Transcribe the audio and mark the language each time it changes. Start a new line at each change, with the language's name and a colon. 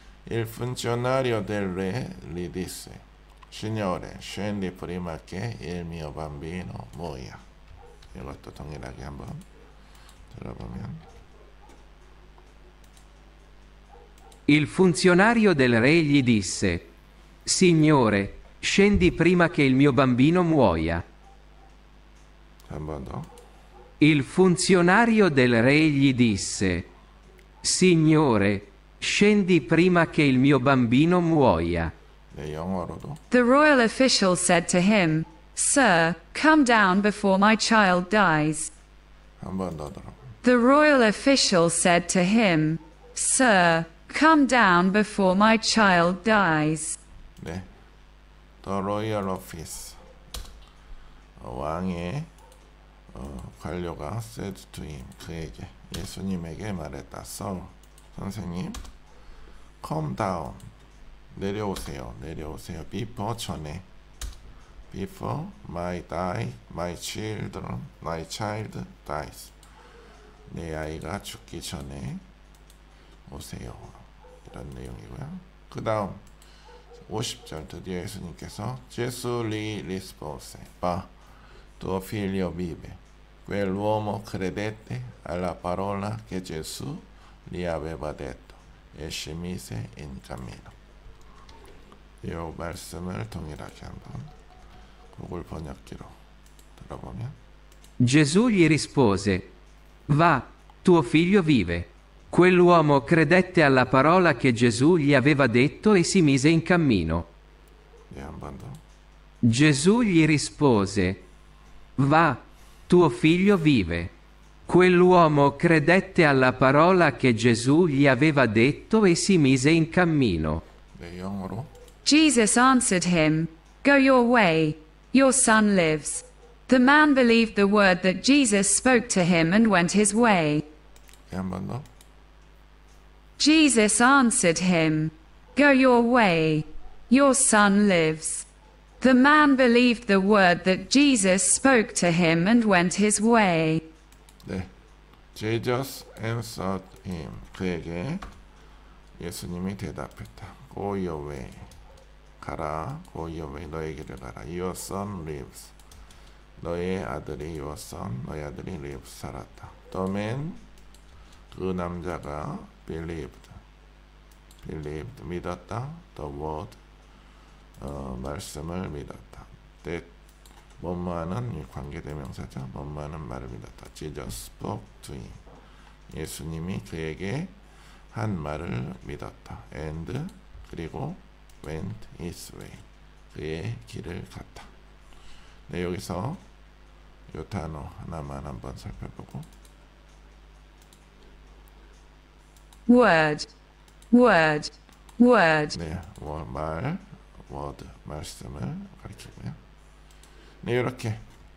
Italian: Il funzionario del re gli disse: Signore, scendi prima che il mio bambino muoia.
Korean: 이것도 동일하게 한번 들어보면.
Italian: Il funzionario del re gli disse: Signore, scendi prima che il mio bambino muoia. Un Il funzionario del re gli disse: Signore, scendi prima che il mio bambino muoia.
English: The royal official said to him, Sir, come down before my child dies. The royal official said to him, Sir, come down before my child dies. The royal office.
Korean: 왕의 관료가
English: said to him,
Korean: 그에게 예수님에게 말했다.
English: So,
Korean: 선생님,
English: come down,
Korean: 내려오세요,
English: before
Korean: 전에,
English: before my die, my children, my child dies,
Korean: 내 아이가 죽기 전에 오세요. 이런 내용이고요. 그 다음 50절 드디어 예수님께서
Italian: Gesù gli rispose, va, tuo figlio vive. Quell'uomo credette alla parola che Gesù gli aveva detto e si mise in cammino.
Korean: Io 말씀을 동일하게 한번 구글 번역기로 들어보면.
Italian: Gesù gli rispose, Va, tuo figlio vive. Quell'uomo credette alla parola che Gesù gli aveva detto e si mise in cammino. Yeah, un Gesù gli rispose, Va, tuo figlio vive. Quell'uomo credette alla parola che Gesù gli aveva detto e si mise in cammino.
English: Jesus answered him, Go your way, your son lives. The man believed the word that Jesus spoke to him and went his way. Jesus answered him, Go your way, your son lives. The man believed the word that Jesus spoke to him and went his way. Jesus answered him.
Korean: 그에게 예수님이 대답했다.
English: Go your way.
Korean: 가라.
English: Go your way.
Korean: 너의 길을 가라.
English: Your son lives.
Korean: 너의 아들이
English: your son,
Korean: 너의 아들이
English: lives
Korean: 살았다.
English: The man,
Korean: 그 남자가
English: believed,
Korean: 믿었다.
English: The word,
Korean: 말씀을 믿었다. That, 뭐뭐하는 관계대명사죠. 뭐뭐하는 말을 믿었다.
English: Jesus spoke to him.
Korean: 예수님이 그에게 한 말을 믿었다.
English: And,
Korean: 그리고
English: went his way.
Korean: 그의 길을 갔다. 네, 여기서 요 단어 하나만 한번 살펴보고.
English: Word, word, word.
Korean: 네, 말,
English: word,
Korean: 말씀을 가르치고요. 네, 이렇게